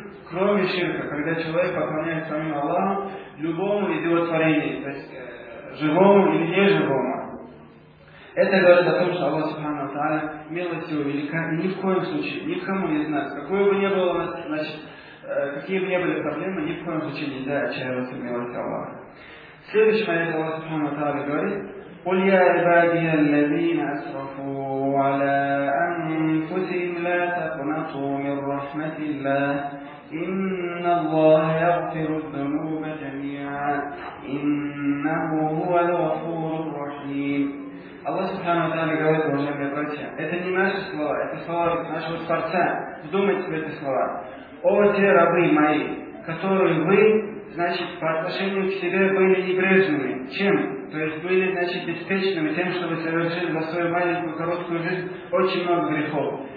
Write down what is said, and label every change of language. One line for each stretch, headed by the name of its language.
Russian: Кроме ширка, когда человек поклоняется самим Аллаху любому из его творений, то есть живому или неживому. Это говорит о том, что Аллах Субхана ва Тааля милость его велика, и ни в коем случае, никому не знать, какое бы ни было, значит, какие бы ни были проблемы, ни в коем случае нельзя отчаиваться в милости Аллаха. Следующий момент Аллах Субхана ва Тааля говорит,
Arabic: قل يا عبادي الذين أسرفوا على أنفسهم لا تقنطوا من رحمة الله إن الله يغفر الذنوب جميعا إنه هو الغفور الرحيم. الله سبحانه وتعالى
Russian: говорит уважаемые братья, это не наши слова, это слова нашего Творца. Вдумайтесь в эти слова. О те рабы мои, которую вы, значит, по отношению к себе были небрежными. Чем? То есть были, значит, беспечными тем, что вы совершили за свою маленькую короткую жизнь очень много грехов.